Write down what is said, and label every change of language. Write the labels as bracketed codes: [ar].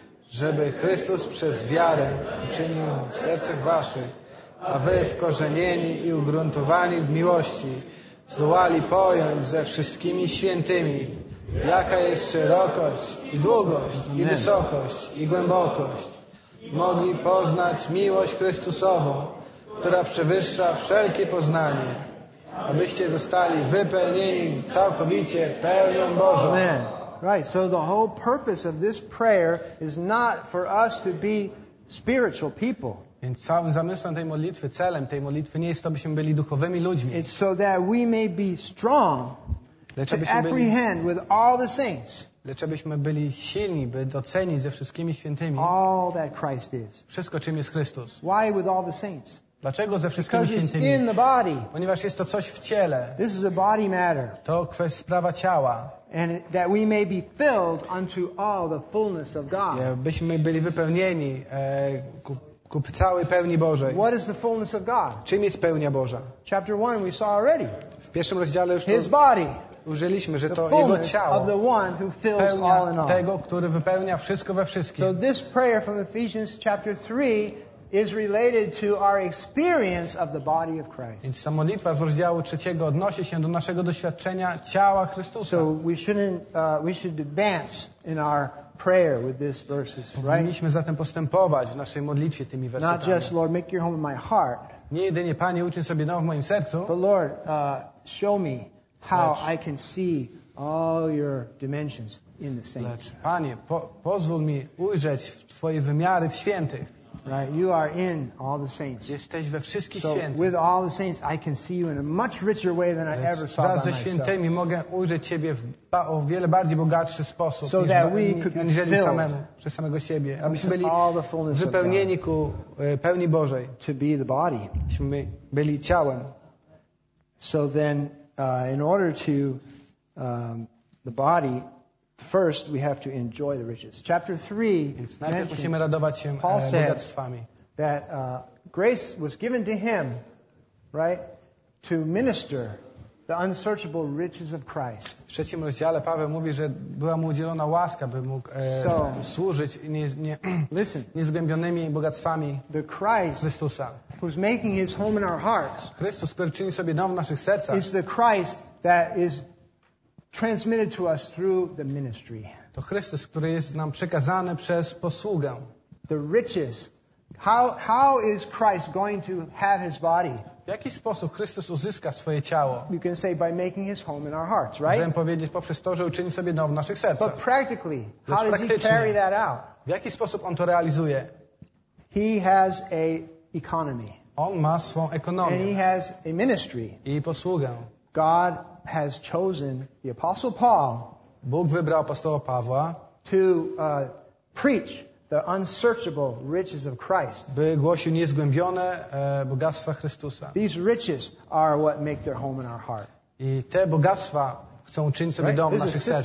[pl] żeby Chrystus przez wiarę uczynił w sercach waszych, a wy wkorzenieni i ugruntowani w miłości, zdołali pojąć ze wszystkimi świętymi, jaka jest szerokość i długość i wysokość i głębokość, mogli poznać miłość Chrystusową, która przewyższa wszelkie poznanie, abyście zostali wypełnieni całkowicie pełnią Bożą. Amen. [en] Right, so the whole purpose of this prayer is not for us to be spiritual people. [pl] Więc całym zamysłem tej modlitwy, celem tej modlitwy nie jest to, byśmy byli duchowymi ludźmi. [en] It's so that we may be strong to apprehend with all the saints. [pl] Lecz abyśmy byli silni, by docenić ze wszystkimi świętymi [en] all that Christ is. [pl] Wszystko, czym jest Chrystus. [en] Why with all the saints? [pl] Dlaczego ze wszystkimi świętymi? [en] In the body. [pl] Ponieważ jest to coś w ciele. [en] This is a body matter. [pl] To kwestia sprawa ciała. [en] And that we may be filled unto all the fullness of God. [pl] Byśmy byli wypełnieni ku całej pełni Bożej. [en] What is the fullness of God? [pl] Czym jest pełnia Boża? [en] Chapter 1 we saw already. [pl] W pierwszym rozdziale już [en] His body. [pl] Użyliśmy, że to Jego ciało pełnia tego, który wypełnia wszystko we wszystkim. [en] So this prayer from Ephesians chapter 3 is related to our experience of the body of Christ. [pl] Więc ta modlitwa z rozdziału trzeciego odnosi się do naszego doświadczenia ciała Chrystusa. [en] So we should advance in our prayer with these verses, right? [pl] Powinniśmy zatem postępować w naszej modlitwie tymi wersetami. [en] Not just Lord, make your home in my heart. [pl] Nie jedynie Panie, uczyń sobie dom w moim sercu. [en] But Lord, show me how I can see all your dimensions in the saints. [pl] Lecz, Panie, pozwól mi ujrzeć Twoje wymiary w świętych. [en] Right, you are in all the saints. [pl] Jesteś we wszystkich [en] so [pl] świętych. [en] With all the saints, I can see you in a much richer way than I ever saw by myself. [pl] Wraz ze świętymi mogę ujrzeć Ciebie w o wiele bardziej bogatszy sposób, [en] so [pl] niż aniżeli samemu, przez samego siebie. Abyśmy byli wypełnieni ku pełni Bożej. [en] To be the body. [pl] Abyśmy byli ciałem. [en] So then, in order to the body, first we have to enjoy the riches. Chapter 3, [pl] najpierw musimy radować się [en] Paul [pl] bogactwami. [en] That grace was given to him, right, to minister the unsearchable riches of Christ. [pl] W trzecim rozdziale Paweł mówi, że była mu udzielona łaska, by mógł służyć niezgłębionymi bogactwami Chrystusa. [en] Who's making his home in our hearts? [pl] Chrystus, który czyni sobie dom w naszych sercach. [en] Is the Christ that is transmitted to us through the ministry. [pl] To Chrystus, który jest nam przekazany przez posługę. [en] The riches. How is Christ going to have his body? [pl] W jaki sposób Chrystus uzyska swoje ciało? [en] You can say by making his home in our hearts, right? [pl] Możemy powiedzieć poprzez to, że uczyni sobie dom w naszych sercach. [en] But practically, how does he carry that out? [pl] W jaki sposób on to realizuje? [en] He has a economy. [pl] On ma swą ekonomię. [en] And he has a ministry. [pl] I posługę. [en] God has chosen the Apostle Paul. [pl] Bóg wybrał apostoła Pawła. [en] To preach the unsearchable riches of Christ. [pl] By głosił niezgłębione bogactwa Chrystusa. [en] These riches are what make their home in our heart. [pl] I te bogactwa chcą uczynić sobie dom w naszych sercach.